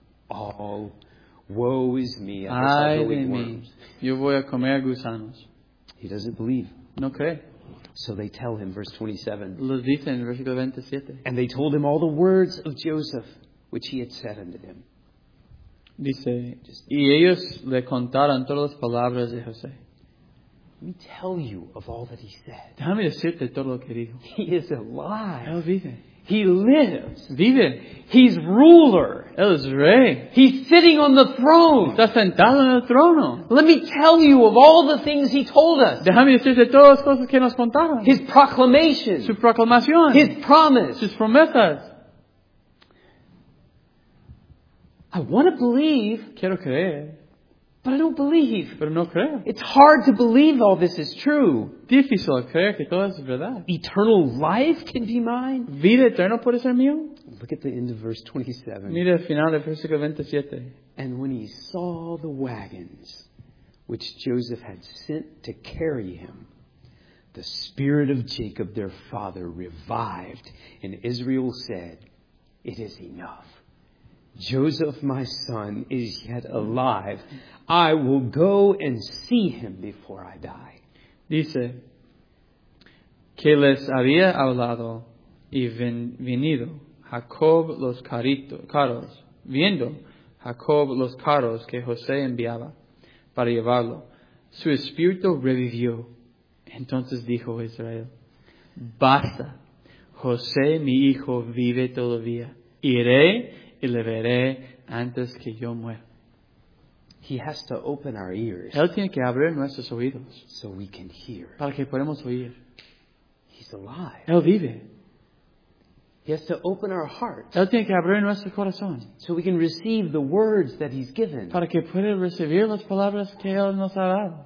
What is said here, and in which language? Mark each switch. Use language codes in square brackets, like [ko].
[en] All woe is me. [es] Ay de mí. Yo voy a comer gusanos. [en] He doesn't believe. [es] No cree. [en] So they tell him, verse 27. [es] Lo dicen, versículo 27. [en] And they told him all the words of Joseph, which he had said unto him. [es] Dice, y ellos le contaron todas las palabras de José. [en] Let me tell you of all that he said. [es] Déjame decirte todo lo que dijo. [en] He is alive. [es] Él vive. [en] He lives. [es] Vive. [en] He's ruler. [es] Él es rey. [en] He's sitting on the throne. [es] Está sentado en el trono. [en] Let me tell you of all the things he told us. [es] Déjame decirte todas las cosas que nos contaron. [en] His proclamation. [es] Su proclamación. [en] His promise. [es] Sus promesas. [en] I want to believe. [es] Quiero creer. [en] But I don't believe. [es] Pero no creo. [en] It's hard to believe all this is true. [es] Difícil creer que todo es verdad. [en] Eternal life can be mine. [es] Vida eterna puede ser mío. [en] Look at the end of verse 27. [es] Mira el final del versículo 27. [en] And when he saw the wagons which Joseph had sent to carry him, the spirit of Jacob, their father, revived, and Israel said, "It is enough. Joseph, my son, is yet alive. I will go and see him before I die." [es] Dice que les había hablado y venido Jacob los carros, viendo Jacob los carros que José enviaba para llevarlo. Su espíritu revivió. Entonces dijo Israel, "Basta, José mi hijo vive todavía. Iré y le veré antes que yo muera." [en] He has to open our ears. [es] Él tiene que abrir nuestros oídos. [en] So we can hear. [es] Para que podamos oír. [en] He's alive. [es] Él vive. [en] He has to open our hearts. [es] Él tiene que abrir nuestro corazón. [en] So we can receive the words that he's given. [es] Para que pueda recibir las palabras que él nos ha dado.